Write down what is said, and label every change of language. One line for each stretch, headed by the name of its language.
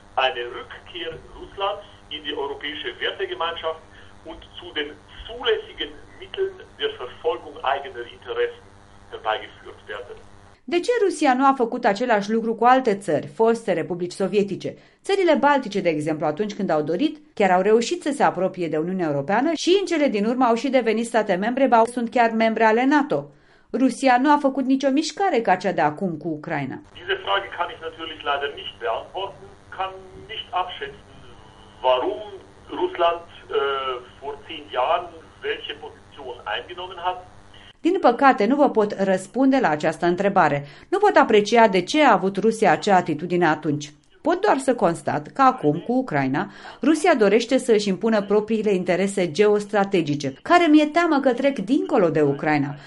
German: Eine Rückkehr Russlands in die europäische Wertegemeinschaft und zu den zulässigen Mitteln der Verfolgung eigener Interessen herbeigeführt werden.
Romanian: De ce Rusia nu a făcut același lucru cu alte țări, foste republici sovietice? Țările Baltice, de exemplu, atunci când au dorit, chiar au reușit să se apropie de Uniunea Europeană și în cele din urmă au și devenit state membre, ba sunt chiar membre ale NATO. Rusia nu a făcut nicio mișcare ca cea de acum cu Ucraina.
German: Diese Frage kann ich natürlich leider nicht beantworten. Kann nicht abschätzen, warum Russland vor 10 Jahren welche Position eingenommen hat.
Romanian: Din păcate, nu vă pot răspunde la această întrebare. Nu pot aprecia de ce a avut Rusia acea atitudine atunci. Pot doar să constat că acum, cu Ucraina, Rusia dorește să își impună propriile interese geostrategice, care mi-e teamă că trec dincolo de Ucraina.